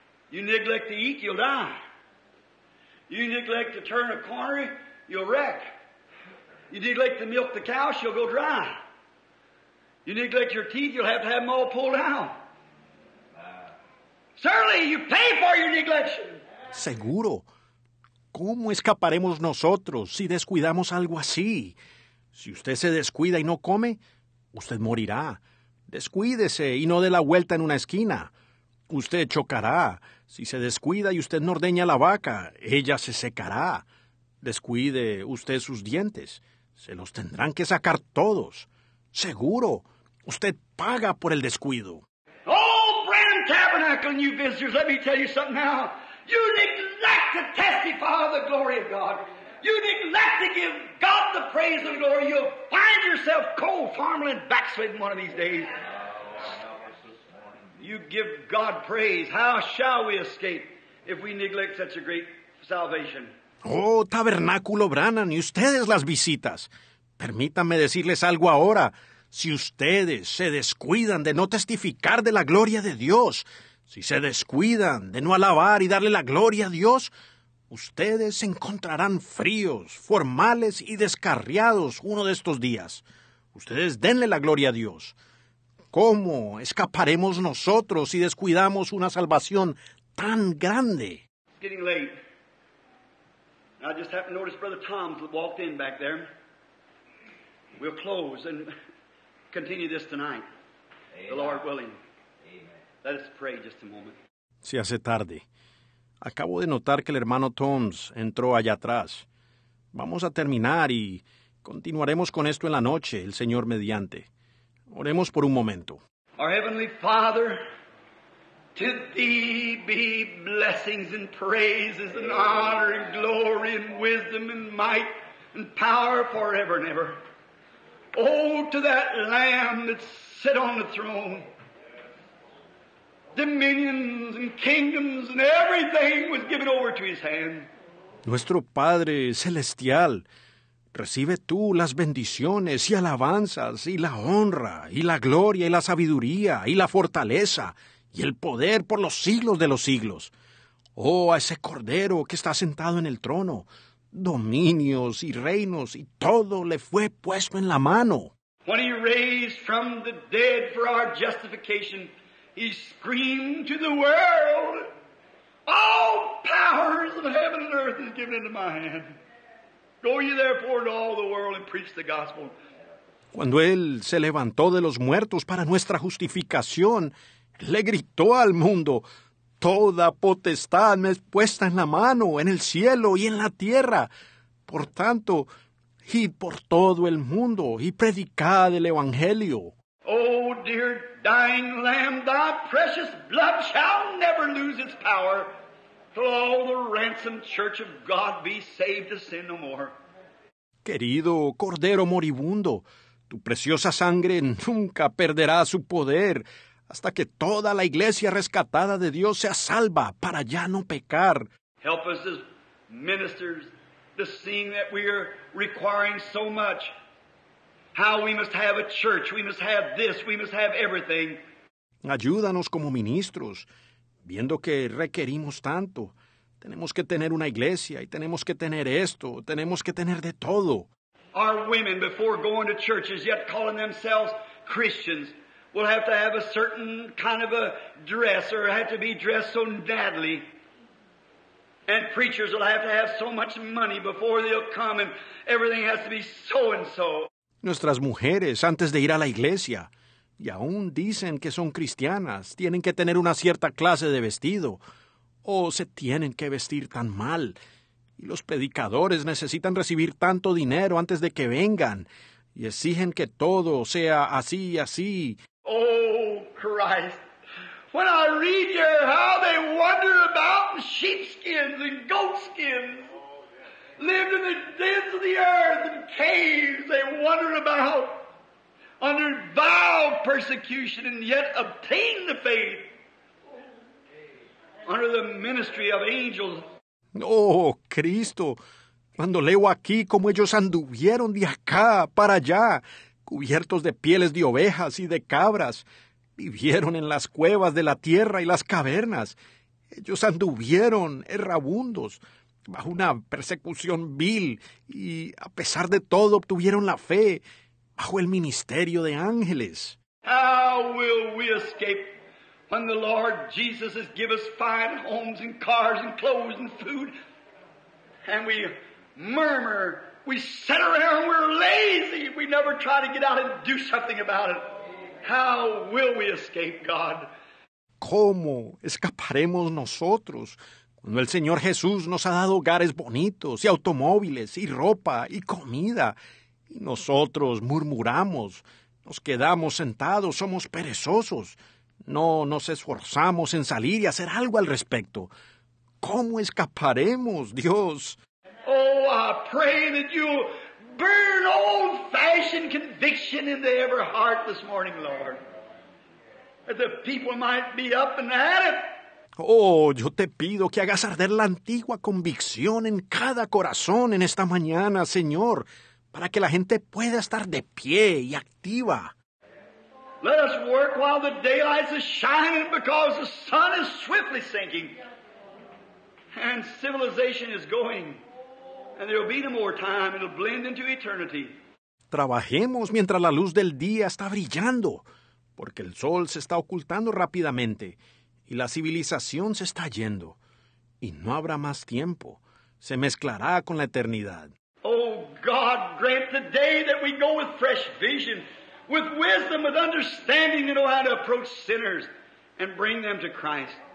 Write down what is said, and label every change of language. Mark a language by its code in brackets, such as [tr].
[en] You neglect to eat, you'll die. You neglect to turn a corner, you'll wreck. You neglect to milk the cow, she'll go dry. You neglect your teeth, you'll have to have them all pulled out. Surely you pay for your neglect. [es] Seguro. ¿Cómo escaparemos nosotros si descuidamos algo así? Si usted se descuida y no come, usted morirá. Descuídese y no dé la vuelta en una esquina. Usted chocará. Si se descuida y usted no ordeña la vaca, ella se secará. Descuide usted sus dientes. Se los tendrán que sacar todos. Seguro, usted paga por el descuido. [en] Oh, Brand Tabernacle, new visitors, let me tell you something now. You neglect to testify of the glory of God. You neglect to give God the praise and glory. You'll find yourself cold, farmland, backslidden one of these days. You give God praise. How shall we escape if we neglect such a great salvation? [es] Oh, Tabernáculo Branham, y ustedes las visitas. Permítanme decirles algo ahora. Si ustedes se descuidan de no testificar de la gloria de Dios, si se descuidan de no alabar y darle la gloria a Dios, ustedes se encontrarán fríos, formales y descarriados uno de estos días. Ustedes denle la gloria a Dios. ¿Cómo escaparemos nosotros si descuidamos una salvación tan grande? [en] It's getting late. I just happened to notice Brother Tom walked in back there. We'll close and continue this tonight, Amen. The Lord willing. Amen. Let us pray just a moment. [es] Se hace tarde. Acabo de notar que el hermano Toms entró allá atrás. Vamos a terminar y continuaremos con esto en la noche, el Señor mediante. Oremos por un momento. [en] Our Heavenly Father, to Thee be blessings and praises and honor and glory and wisdom and might and power forever and ever. Oh, to that Lamb that sit on the throne. Dominions and kingdoms and everything was given over to His hand. [es] Nuestro Padre Celestial, recibe tú las bendiciones y alabanzas y la honra y la gloria y la sabiduría y la fortaleza y el poder por los siglos de los siglos. Oh, a ese Cordero que está sentado en el trono, dominios y reinos y todo le fue puesto en la mano. [en] When He raised from the dead for our justification, He screamed to the world, all powers of heaven and earth is given into my hand. Go ye therefore into all the world and preach the gospel. [es] Cuando Él se levantó de los muertos para nuestra justificación, le gritó al mundo, toda potestad me es puesta en la mano, en el cielo y en la tierra. Por tanto, id por todo el mundo y predicad el evangelio. [en] Oh, dear dying Lamb, thy precious blood shall never lose its power till all the ransomed church of God be saved to sin no more. [es] Querido Cordero moribundo, tu preciosa sangre nunca perderá su poder hasta que toda la iglesia rescatada de Dios sea salva para ya no pecar. [en] Help us as ministers to see that we are requiring so much. How we must have a church, we must have this, we must have everything. [es] Ayúdanos como ministros, viendo que requerimos tanto. Tenemos que tener una iglesia, y tenemos que tener esto, tenemos que tener de todo. [en] Our women, before going to churches, yet calling themselves Christians, will have to have a certain kind of a dress, or have to be dressed so badly. And preachers will have to have so much money before they'll come, and everything has to be so-and-so. [es] Nuestras mujeres, antes de ir a la iglesia, y aún dicen que son cristianas, tienen que tener una cierta clase de vestido, o se tienen que vestir tan mal. Y los predicadores necesitan recibir tanto dinero antes de que vengan, y exigen que todo sea así y así. [en] Oh, Christ, when I read here how they wander about in sheepskins and goatskins, lived in the dens of the earth and caves, they wandered about under vile persecution and yet obtained the faith under the ministry of angels. [es] Oh, Cristo, cuando leo aquí cómo ellos anduvieron de acá para allá, cubiertos de pieles de ovejas y de cabras, vivieron en las cuevas de la tierra y las cavernas. Ellos anduvieron errabundos, bajo una persecución vil, y a pesar de todo obtuvieron la fe bajo el ministerio de ángeles. [en] How will we escape when the Lord Jesus has given us fine homes and cars and clothes and food, and we murmur, we sit around, we're lazy, we never try to get out and do something about it? How will we escape, God? [es] ¿Cómo escaparemos nosotros cuando el Señor Jesús nos ha dado hogares bonitos, y automóviles, y ropa, y comida, y nosotros murmuramos, nos quedamos sentados, somos perezosos, no nos esforzamos en salir y hacer algo al respecto? ¿Cómo escaparemos, Dios? [en] Oh, I pray that you'll burn old-fashioned conviction in the every heart this morning, Lord, that the people might be up and at it. [es] Oh, yo te pido que hagas arder la antigua convicción en cada corazón en esta mañana, Señor, para que la gente pueda estar de pie y activa. [en] Let us work while the daylight is shining, because the sun is swiftly sinking and civilization is going, and there will be no more time, it will blend into eternity. [es] Trabajemos mientras la luz del día está brillando, porque el sol se está ocultando rápidamente. Y la civilización se está yendo, y no habrá más tiempo. Se mezclará con la eternidad. [en] Oh, God, grant the day that we go with fresh vision, with wisdom, with understanding, to know how to approach sinners and bring them to Christ.